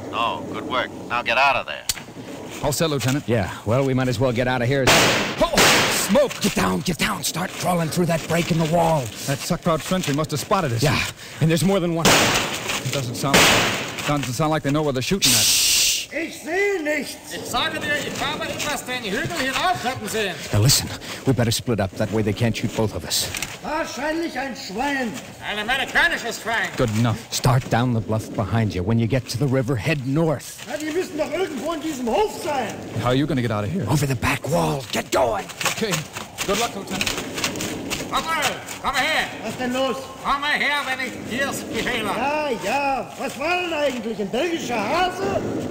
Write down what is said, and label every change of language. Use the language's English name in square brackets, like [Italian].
[English] No, good work. Now get out of there. All set, Lieutenant. Yeah, well, we might as well get out of here. Oh! smoke! Get down, get down! Start crawling through that break in the wall. That Suckrout sentry must have spotted us. Yeah, and there's more than one. It doesn't sound like they know where they're shooting at. [German] Ich sehe nichts. Ich sage dir, ich habe etwas den Hügel hinaufklappen sehen. [English] Now listen, we better split up. That way they can't shoot both of us. [German] Wahrscheinlich ein Schwein. Ein amerikanisches Schwein. [English] Good enough. Start down the bluff behind you. When you get to the river, head north. [German] Na, die müssen doch irgendwo in diesem Hof sein. [English] How are you going to get out of here? Over the back wall. Get going. Okay. Good luck, Lieutenant. [German] Komm her! Was denn los? Komm her, wenn ich dir das Befehl habe. Ja, ja. Was war denn eigentlich? Ein belgischer Hase?